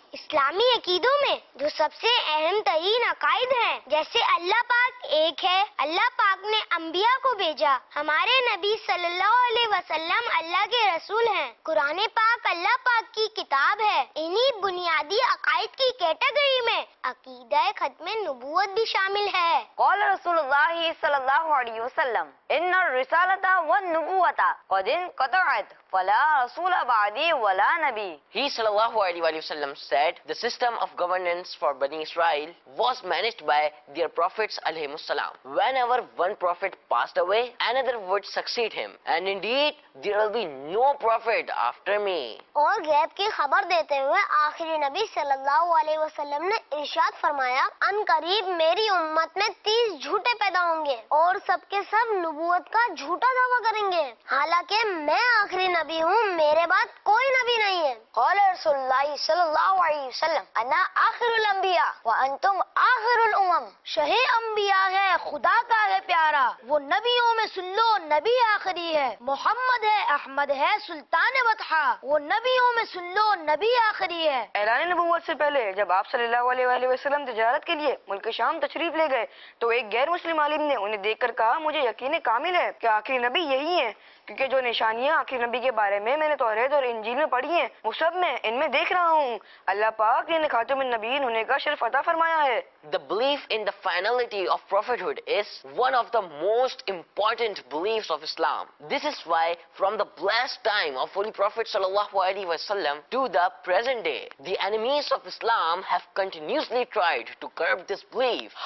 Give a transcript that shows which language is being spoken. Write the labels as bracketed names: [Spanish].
[Urdu] اسلامی عقیدوں میں جو سب سے اہم ترین عقائد ہیں, جیسے اللہ پاک ایک ہے, اللہ پاک نے انبیاء کو بھیجا, ہمارے نبی صلی اللہ علیہ وسلم اللہ کے رسول ہیں, قرآن پاک اللہ پاک کی کتاب ہے. انہی بنیادی عقائد کی کیٹیگری میں عقیدہ ختم نبوت بھی شامل ہے. [Arabic] قال رسول اللہ صلی اللہ علیہ وسلم ان الرسالۃ والنبوۃ قد انقطعت فلا رسول بعدی ولا نبی. [English] He صلی اللہ علیہ وسلم that the system of governance for Bani Israel was managed by their prophets alayhim assalam. Whenever one prophet passed away, another would succeed him. And indeed, there will be no prophet after me. [Urdu] اور غیب کی خبر دیتے ہوئے آخری نبی صلی اللہ علیہ وسلم نے ارشاد فرمایا, ان قریب میری امت میں 30 جھوٹے پیدا ہوں گے اور سب کے سب نبوت کا جھوٹا دعویٰ کریں گے, حالانکہ میں آخری نبی ہوں, میرے بعد کوئی نبی نہیں ہے. [Arabic] قال رسول اللہ صلی اللہ علیہ وسلم انا آخر الانبیاء وانتم آخر الامم. [Urdu] شہِ انبیاء ہے, خدا کا ہے پیارا, وہ نبیوں میں سن لو نبی آخری ہے, محمد ہے, احمد ہے, سلطان بطحا, وہ نبیوں میں سن لو نبی آخری ہے. اعلان نبوت سے پہلے جب آپ صلی اللہ علیہ وآلہ وسلم تجارت کے لیے ملک شام تشریف لے گئے تو ایک غیر مسلم عالم نے انہیں دیکھ کر کہا, مجھے یقین کامل ہے کہ آخری نبی یہی ہیں کیونکہ جو نشانیاں آخری نبی کے بارے میں میں نے توریت اور انجیل میں پڑھی ہیں وہ سب میں ان میں دیکھ رہا ہوں. اللہ پاک نے خاتم النبیین ہونے کا شرف عطا فرمایا ہے. [English] The belief in the finality of prophethood is one of the most important beliefs of Islam. This is why from the blessed time of Holy Prophet sallallahu alaihi wasallam to the present day, the enemies of Islam have continuously tried to curb this belief.